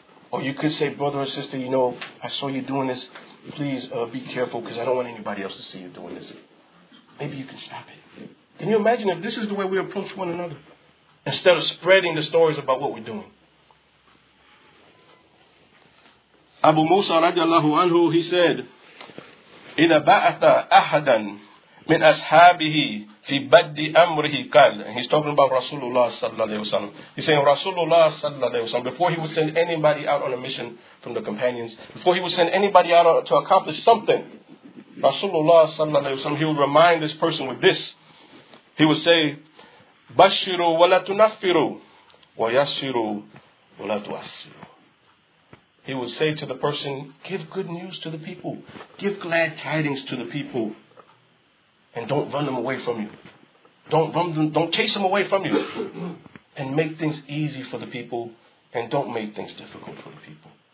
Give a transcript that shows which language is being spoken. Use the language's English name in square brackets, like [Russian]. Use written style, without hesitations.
[English] Or you could say, brother or sister, you know, I saw you doing this. Please be careful because I don't want anybody else to see you doing this. Maybe you can stop it. Can you imagine if this is the way we approach one another? Instead of spreading the stories about what we're doing. Abu Musa radiallahu anhu, he said, [Arabic] إِذَا بَعَثَ أَحَدًا مِنْ أَصْحَابِهِ فِي بَدِّ أَمْرِهِ قَالْ. [English] And he's talking about Rasulullah sallallahu alayhi wa sallam. He's saying Rasulullah sallallahu alayhi wa sallam, before he would send anybody out on a mission from the companions, before he would send anybody out to accomplish something, Rasulullah sallallahu alayhi wa sallam, he would remind this person with this. He would say, [Arabic] بَشِّرُوا وَلَا تُنَفِّرُوا وَيَسِّرُوا وَلَا تُعَسِّرُوا. [English] He would say to the person, give good news to the people. Give glad tidings to the people. And don't run them away from you. Don't chase them away from you. And make things easy for the people. And don't make things difficult for the people.